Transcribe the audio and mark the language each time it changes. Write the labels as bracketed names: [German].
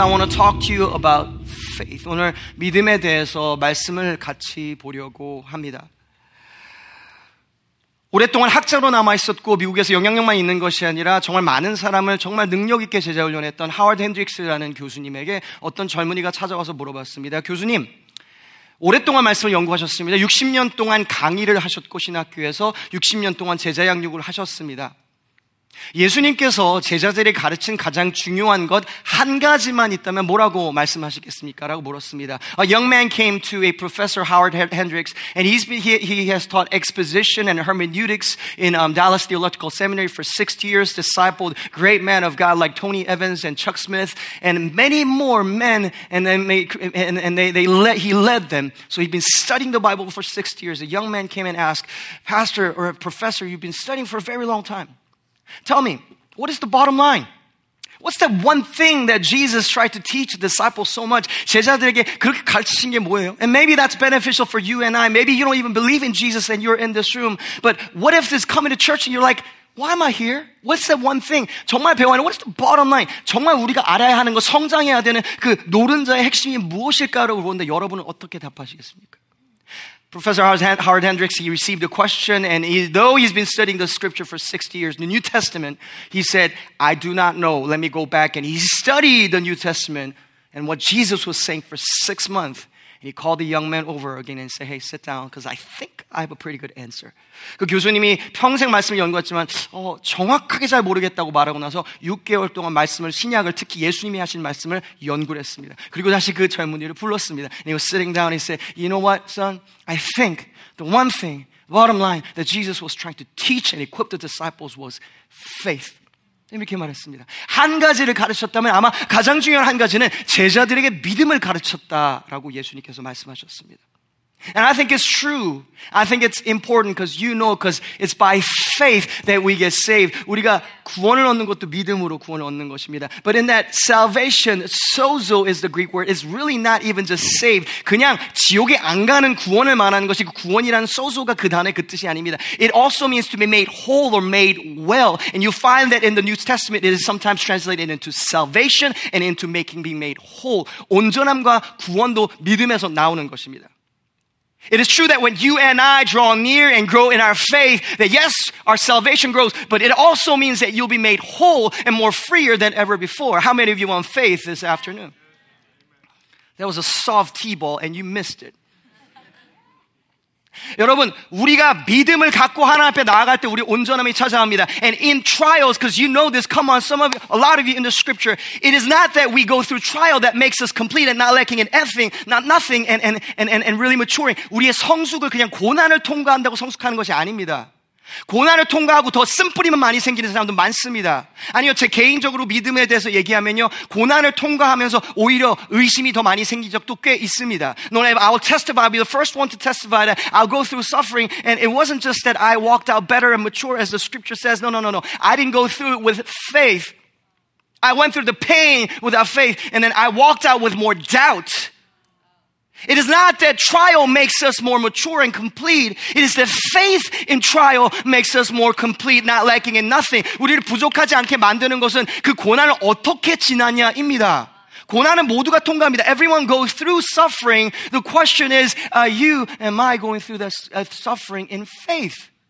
[English] I want to talk to you about faith. [Korean] 오늘 믿음에 대해서 말씀을 같이 보려고 합니다. 오랫동안 학자로 남아있었고 미국에서 영향력만 있는 것이 아니라 정말 많은 사람을 정말 능력있게 제자훈련했던 하워드 핸드릭스라는 교수님에게 어떤 젊은이가 찾아와서 물어봤습니다. 교수님, 오랫동안 말씀을 연구하셨습니다. 60년 동안 강의를 하셨고 신학교에서 60년 동안 제자 양육을 하셨습니다. 예수님께서 제자들이 가르친 가장 중요한 것 한 가지만 있다면 뭐라고 말씀하시겠습니까? 라고 물었습니다. [English] A young man came to a professor, Howard Hendricks, and he has taught exposition and hermeneutics in Dallas Theological Seminary for 60 years, discipled great men of God like Tony Evans and Chuck Smith, and many more men, and he led them. So he'd been studying the Bible for 60 years. A young man came and asked, Pastor or professor, you've been studying for a very long time. Tell me, what is the bottom line? What's that one thing that Jesus tried to teach the disciples so much? [Korean] 제자들에게 그렇게 가르치신 게 뭐예요? [English] And maybe that's beneficial for you and I. Maybe you don't even believe in Jesus and you're in this room. But what if this coming to church and you're like, why am I here? What's that one thing? [Korean] 정말 배워야 하는, [English] what's the bottom line? [Korean] 정말 우리가 알아야 하는 거, 성장해야 되는 그 노른자의 핵심이 무엇일까라고 물었는데 여러분은 어떻게 답하시겠습니까? [English] Professor Howard Hendricks, he received a question, and though he's been studying the scripture for 60 years, the New Testament, he said, I do not know. Let me go back. And he studied the New Testament and what Jesus was saying for 6 months. And he called the young man over again and said, hey, sit down, because I think I have a pretty good answer. [Korean] 그 교수님이 평생 말씀을 연구했지만 정확하게 잘 모르겠다고 말하고 나서 6개월 동안 말씀을, 신약을, 특히 예수님이 하신 말씀을 연구를 했습니다. 그리고 다시 그 젊은이를 불렀습니다. [English] And he was sitting down and he said, you know what, son? I think the one thing, bottom line, that Jesus was trying to teach and equip the disciples was faith. [Korean] 이렇게 말했습니다. 한 가지를 가르쳤다면 아마 가장 중요한 한 가지는 제자들에게 믿음을 가르쳤다라고 예수님께서 말씀하셨습니다. [English] And I think it's true. I think it's important because you know because it's by faith that we get saved. [Korean] 우리가 구원을 얻는 것도 믿음으로 구원을 얻는 것입니다. [English] But in that salvation, sozo is the Greek word. It's really not even just saved. [Korean] 그냥 지옥에 안 가는 구원을 말하는 것이, 구원이라는 sozo가 그 단어의 그 뜻이 아닙니다. [English] It also means to be made whole or made well. And you find that in the New Testament, it is sometimes translated into salvation and into making, being made whole. [Korean] 온전함과 구원도 믿음에서 나오는 것입니다. [English] It is true that when you and I draw near and grow in our faith, that yes, our salvation grows, but it also means that you'll be made whole and more freer than ever before. How many of you want faith this afternoon? That was a soft T-ball and you missed it. [Korean] 여러분, 우리가 믿음을 갖고 하나님 앞에 나아갈 때 우리 온전함이 찾아옵니다. [English] And in trials, because you know this, come on, some of you, a lot of you in the scripture, it is not that we go through trial that makes us complete and not lacking in anything, not nothing, and really maturing. [Korean] 우리의 성숙을 그냥 고난을 통과한다고 성숙하는 것이 아닙니다. 고난을 통과하고 더 쓴뿌리만 많이 생기는 사람도 많습니다. 아니요, 제 개인적으로 믿음에 대해서 얘기하면요, 고난을 통과하면서 오히려 의심이 더 많이 생긴 적도 꽤 있습니다. [English] No, I'll testify, I'll be the first one to testify that I'll go through suffering and it wasn't just that I walked out better and mature as the scripture says. No. I didn't go through it with faith. I went through the pain without faith and then I walked out with more doubt. It is not that trial makes us more mature and complete. It is that faith in trial makes us more complete, not lacking in nothing. [Korean] 우리를 부족하지 않게 만드는 것은 그 고난을 어떻게 지나냐입니다. 고난은 모두가 통과합니다. [English] Everyone goes through suffering. The question is, are you, am I going through that suffering in faith?